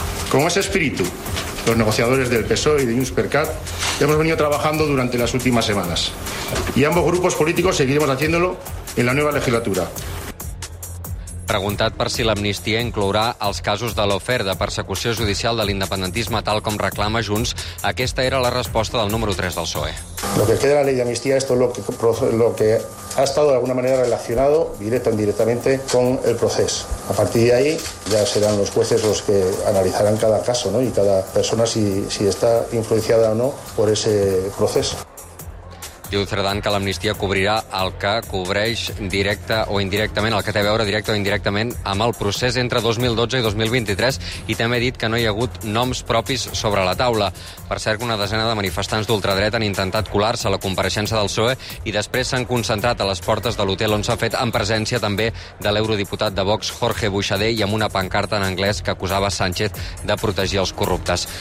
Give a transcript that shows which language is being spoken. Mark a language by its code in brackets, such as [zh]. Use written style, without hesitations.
[es] Con ese espíritu, los negociadores del PSOE y de Junts per Cat hemos venido trabajando durante las últimas semanas y ambos grupos políticos seguiremos haciéndolo en la nueva legislatura. [ca] Preguntat per si l'amnistia inclourà els casos de l'oferta de persecució judicial de l'independentisme tal com reclama Junts, aquesta era la resposta del número 3 del PSOE. [es] Lo que queda de la ley de amnistía, esto es lo que ha estado de alguna manera relacionado directo o indirectamente con el proceso. A partir de ahí ya serán los jueces los que analizarán cada caso, ¿no? Y cada persona si está influenciada o no por ese proceso. [ca] Diu Cerdán que l'amnistia cobrirà el que cobreix directe o indirectament, el que té a veure directe o indirectament amb el procés entre 2012 i 2023, i també ha dit que no hi ha hagut noms propis sobre la taula. Per cert, que una desena de manifestants d'ultradreta han intentat colar-se a la compareixença del PSOE i després s'han concentrat a les portes de l'hotel, on s'ha fet en presència també de l'eurodiputat de Vox, Jorge Buixader, i amb una pancarta en anglès que acusava Sánchez de protegir els corruptes.